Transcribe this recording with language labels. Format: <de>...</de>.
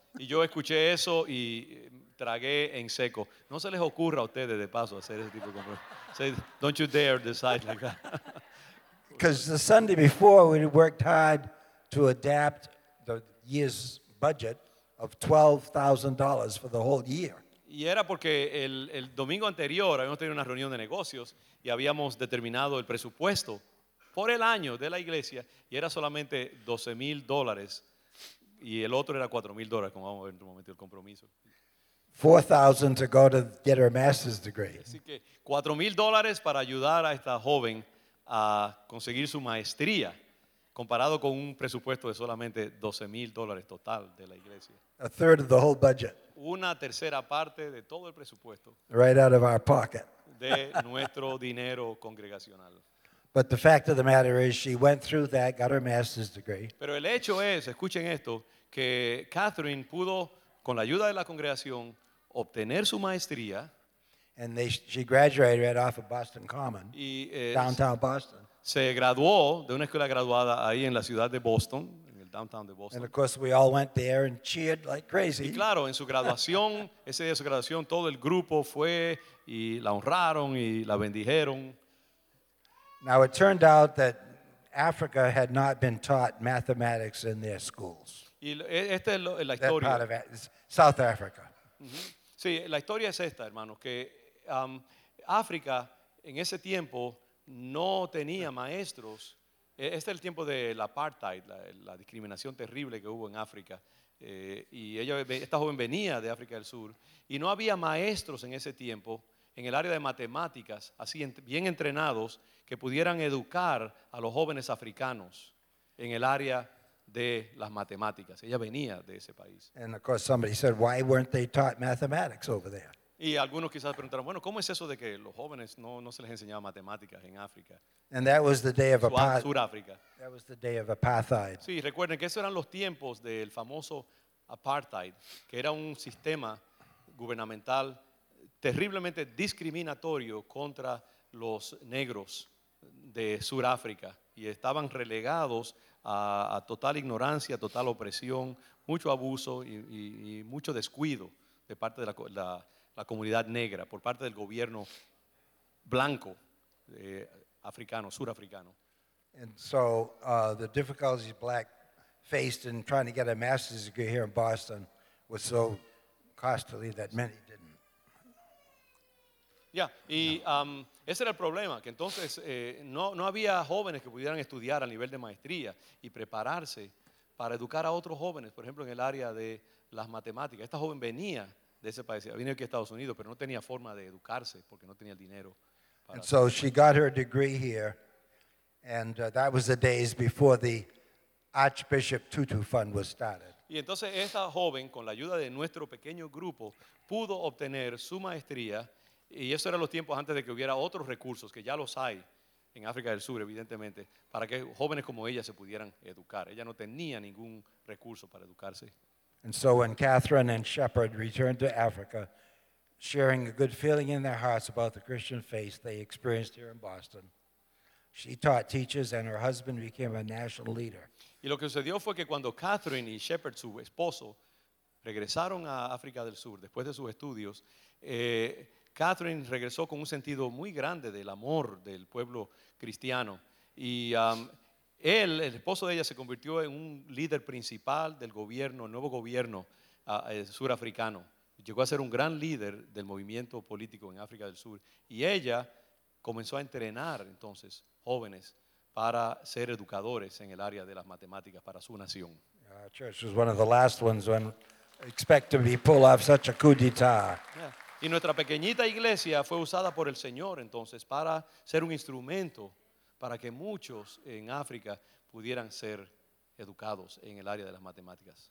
<es>Y yo escuché eso y tragué en seco. No se les ocurra a ustedes de paso hacer ese tipo de compromiso.</es> <en>Don't you dare decide like that. Because the Sunday before we worked hard to adapt the year's budget of $12,000 for the whole year.</en> <es>Y era porque el domingo anterior habíamos tenido una reunión de negocios y habíamos determinado el presupuesto por el año de la iglesia y era solamente $12,000 y el otro era $4,000, como vamos a ver en un momento el compromiso.</es> <en>$4,000 to go to get her master's degree.</en> <es>Así que $4,000 para ayudar a esta joven a conseguir su maestría, comparado con un presupuesto de solamente $12,000 total de la iglesia.</es> <en>A third of the whole budget.</en> <es>Una tercera parte de todo el presupuesto.</es> <en>Right out of our pocket.</en> <es>De nuestro dinero congregacional.</es> <en>But the fact of the matter is she went through that, got her master's degree.</en> <es>Pero el hecho es, escuchen esto, que Catherine pudo, con la ayuda de la congregación, obtener su maestría.</es> <en>And she graduated right off of Boston Common, downtown Boston.</en> <es>Se graduó de una escuela graduada ahí en la ciudad de Boston, en el downtown de Boston.</es> <en>And of course, we all went there and cheered like crazy.</en> <es>Y claro, en su graduación, ese día de su graduación, todo el grupo fue y la honraron y la bendijeron.</es> <en>Now it turned out that Africa had not been taught mathematics in their schools.</en> <es>Y esta es la historia.</es> <en>That part of South Africa.</en> <es>Sí, la historia es esta, hermanos, que África en ese tiempo no tenía maestros. Este es el tiempo del apartheid, la discriminación terrible que hubo en África. Y ella, esta joven venía de África del Sur y no había maestros en ese tiempo en el área de matemáticas, así bien entrenados, que pudieran educar a los jóvenes africanos en el área de las matemáticas. Ella venía de ese país.</es> <en>And of course somebody said, why weren't they taught mathematics over there?</en> <es>Y algunos quizás preguntaron, bueno, ¿cómo es eso de que los jóvenes no se les enseñaba matemáticas en África?</es> <en>And that was the day of</en> <es>Sudáfrica.</es> <en>That was the day of apartheid.</en> <es>Sí, recuerden que esos eran los tiempos del famoso apartheid, que era un sistema gubernamental terriblemente discriminatorio contra los negros de Sudáfrica y estaban relegados a total ignorancia, total opresión, mucho abuso y mucho descuido de parte de la comunidad negra, por parte del gobierno blanco, africano, surafricano.</es> <en>And so the difficulties black faced in trying to get a master's degree here in Boston was so costly that many didn't.</en> <es>Yeah, y ese era el problema, que entonces no había jóvenes que pudieran estudiar a nivel de maestría y prepararse para educar a otros jóvenes, por ejemplo, en el área de las matemáticas. Esta joven venía de ese país, había venido aquí a Estados Unidos, pero no tenía forma de educarse porque no tenía el dinero.</es> <en>And so she got her degree here, and that was the days before the Archbishop Tutu Fund was started.</en> <es>Y entonces esta joven, con la ayuda de nuestro pequeño grupo, pudo obtener su maestría, y eso era los tiempos antes de que hubiera otros recursos, que ya los hay en África del Sur, evidentemente, para que jóvenes como ella se pudieran educar. Ella no tenía ningún recurso para educarse.</es> <en>And so when Catherine and Shepherd returned to Africa, sharing a good feeling in their hearts about the Christian faith they experienced here in Boston, she taught teachers and her husband became a national leader.</en> <es>Y lo que sucedió fue que cuando Catherine y Shepherd, su esposo, regresaron a África del Sur después de sus estudios, Catherine regresó con un sentido muy grande del amor del pueblo cristiano. Y él, el esposo de ella, se convirtió en un líder principal del gobierno, nuevo gobierno surafricano. Llegó a ser un gran líder del movimiento político en África del Sur. Y ella comenzó a entrenar entonces jóvenes para ser educadores en el área de las matemáticas para su nación.</es> <en>Our church was one of the last ones when expect to be pulled off such a coup d'etat. Yeah.</en> <es>Y nuestra pequeñita iglesia fue usada por el Señor entonces para ser un instrumento para que muchos en África pudieran ser educados en el área de las matemáticas.</es>